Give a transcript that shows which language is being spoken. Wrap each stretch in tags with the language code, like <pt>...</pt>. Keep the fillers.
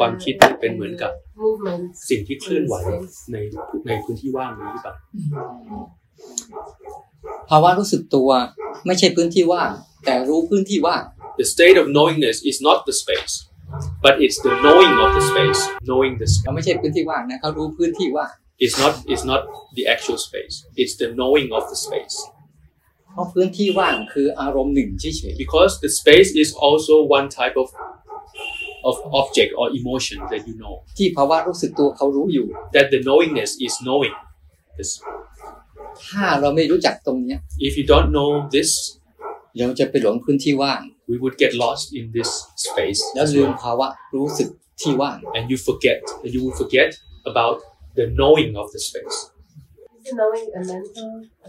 <th>วามคิดเป็นเหมือนกับสิ่งที่เคลื่อนไหวในในพื้นที่ว่างนี้หรือเปล่า ภาวะรู้สึกตัวไม่ใช่พื้นที่ว่างแต่รู้พื้นที่ว่าง</th> <en>The state of knowingness is not the space but it's the knowing of the space knowing the space</en> <th>ไม่ ใช่พื้นที่ว่างนะเขารู้พื้นที่ว่าง</th> <en>It's not it's not the actual space it's the knowing of the space</en> <th>พราะพื้นที่ว่างคืออารมณ์หนึ่งเฉยๆ</th> <en>because the space is also one type of of object or emotion that you know</en> <th>ที่ภาวะรู้สึกตัวเขารู้อยู่</th> <en>that the knowingness is knowing t h s</en> <th>ถ้าเราไม่รู้จักตรงนี้</th> <en>if you don't know this</en> <th>เราจะไปหลงพื้นที่ว่าง</th> <en>we would get lost in this space</en> <th>แล้วลืมภาวะรู้สึกที่ว่าง</th> <en>and you forget and you would forget about the knowing of the space m</en>